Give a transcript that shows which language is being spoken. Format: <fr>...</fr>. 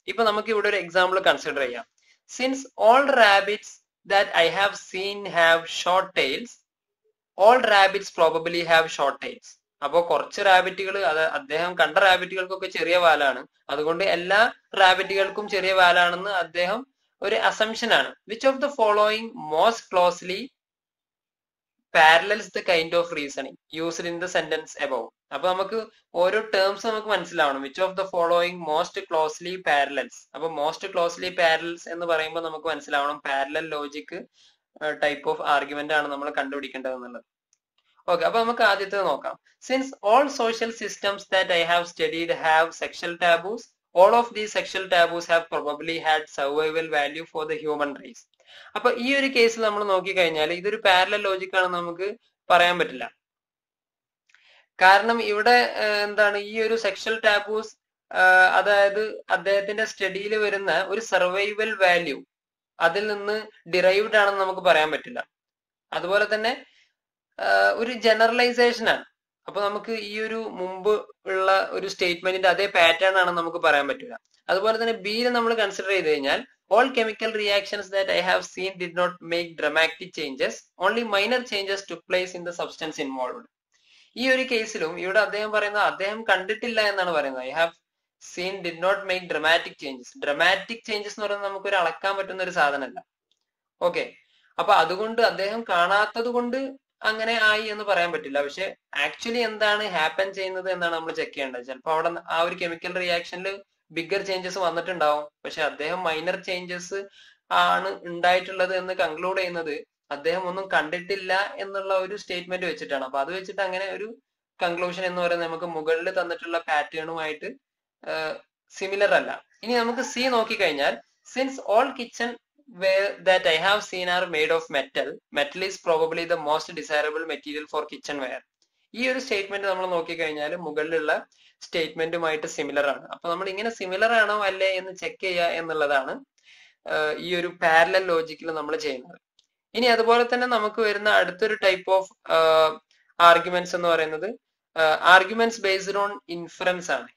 <ml>ഇപ്പൊ നമുക്ക് ഇവിടെ ഒരു എക്സാമ്പിൾ കൺസിഡർ ചെയ്യാം.</ml> <en>Since all rabbits that I have seen have short tails, all rabbits probably have short tails.</en> <ml>അപ്പോ കുറച്ച് റാബിറ്റുകൾ, അത് അദ്ദേഹം കണ്ട റാബിറ്റുകൾക്കൊക്കെ ചെറിയ വാലാണ്, അതുകൊണ്ട് എല്ലാ റാബിറ്റുകൾക്കും ചെറിയ വാലാണെന്ന് അദ്ദേഹം ഒരു അസംഷൻ ആണ്.</ml> <en>Which of the following most closely parallels the kind of reasoning used in the sentence above.</en> <ml>അപ്പൊ നമുക്ക് ഓരോ ടേംസ് നമുക്ക് മനസ്സിലാവണം.</ml> <en>Which of the following most closely parallels.</en> <ml>അപ്പൊ മോസ്റ്റ് ക്ലോസ്ലി പാരലൽസ് എന്ന് പറയുമ്പോൾ നമുക്ക് മനസ്സിലാവണം parallel logic type of argument ആണ് നമ്മൾ കണ്ടുപിടിക്കേണ്ടത് എന്നുള്ളത്. ഓക്കെ, അപ്പൊ നമുക്ക് ആദ്യത്തെ നോക്കാം.</ml> <en>Since all social systems that I have studied have sexual taboos, all of these sexual taboos have probably had survival value for the human race.</en> <ml>അപ്പൊ ഈ ഒരു കേസ് നമ്മൾ നോക്കിക്കഴിഞ്ഞാൽ ഇതൊരു പാരലൽ ലോജിക് ആണെന്ന് നമുക്ക് പറയാൻ പറ്റില്ല. കാരണം ഇവിടെ എന്താണ്, ഈ ഒരു സെക്ഷൽ ടാബൂസ് അതായത് അദ്ദേഹത്തിന്റെ സ്റ്റഡിയിൽ വരുന്ന ഒരു സർവൈവൽ വാല്യൂ അതിൽ നിന്ന് ഡിറൈവ്ഡ് ആണെന്ന് നമുക്ക് പറയാൻ പറ്റില്ല. അതുപോലെ തന്നെ ഒരു ജനറലൈസേഷൻ ആണ്. അപ്പൊ നമുക്ക് ഈ ഒരു മുമ്പ് ഉള്ള ഒരു സ്റ്റേറ്റ്മെന്റിന്റെ അതേ പാറ്റേൺ ആണെന്ന് നമുക്ക് പറയാൻ പറ്റില്ല. അതുപോലെ തന്നെ ബിയിലെ നമ്മൾ കൺസിഡർ ചെയ്ത് കഴിഞ്ഞാൽ</ml> <en>All chemical reactions that I have seen did not make dramatic changes. Only minor changes took place in the substance involved.</en> <ml>ഈ ഒരു കേസിലും ഇവിടെ അദ്ദേഹം പറയുന്നത് അദ്ദേഹം കണ്ടിട്ടില്ല എന്നാണ് പറയുന്നത്.</ml> <en>I have seen did not make dramatic changes. Dramatic changes</en> <ml>എന്ന് പറയുന്നത് നമുക്കൊരു അളക്കാൻ പറ്റുന്ന ഒരു സാധനമല്ല. ഓക്കെ, അപ്പൊ അതുകൊണ്ട് അദ്ദേഹം കാണാത്തത് കൊണ്ട് അങ്ങനെ ആയി എന്ന് പറയാൻ പറ്റില്ല. പക്ഷെ ആക്ച്വലി എന്താണ് ഹാപ്പൻ ചെയ്യുന്നത് എന്നാണ് നമ്മൾ ചെക്ക് ചെയ്യേണ്ടത്. ചിലപ്പോൾ അവിടെ ആ ഒരു കെമിക്കൽ റിയാക്ഷനിൽ ബിഗ്ഗർ ചേഞ്ചസ് വന്നിട്ടുണ്ടാവും, പക്ഷെ അദ്ദേഹം മൈനർ ചേഞ്ചസ് ആണ് ഉണ്ടായിട്ടുള്ളത് എന്ന് കൺക്ലൂഡ് ചെയ്യുന്നത് അദ്ദേഹം ഒന്നും കണ്ടിട്ടില്ല എന്നുള്ള ഒരു സ്റ്റേറ്റ്മെന്റ് വെച്ചിട്ടാണ്. അപ്പൊ അത് വെച്ചിട്ട് അങ്ങനെ ഒരു കൺക്ലൂഷൻ എന്ന് പറയുന്നത് നമുക്ക് മുകളിൽ തന്നിട്ടുള്ള പാറ്റേണുമായിട്ട് സിമിലർ അല്ല. ഇനി നമുക്ക് സി നോക്കിക്കഴിഞ്ഞാൽ</ml> <en>Since all kitchen Well, that I have seen are made of metal. Metal is probably the most desirable material for kitchenware.</en> <ml>ഈ ഒരു സ്റ്റേറ്റ്മെന്റ് നമ്മൾ നോക്കിക്കഴിഞ്ഞാൽ മുകളിലുള്ള സ്റ്റേറ്റ്മെന്റുമായിട്ട് സിമിലർ ആണ്. അപ്പൊ നമ്മൾ ഇങ്ങനെ സിമിലർ ആണോ അല്ലേ എന്ന് ചെക്ക് ചെയ്യുക എന്നുള്ളതാണ് ഈ ഒരു പാരലൽ ലോജിക്കിൽ നമ്മൾ ചെയ്യുന്നത്. ഇനി അതുപോലെ തന്നെ നമുക്ക് വരുന്ന അടുത്തൊരു ടൈപ്പ് ഓഫ് ആർഗ്യുമെന്റ്സ് എന്ന് പറയുന്നത് ആർഗ്യുമെന്റ്സ് ബേസ്ഡ് ഓൺ ഇൻഫറൻസ് ആണ്.</ml>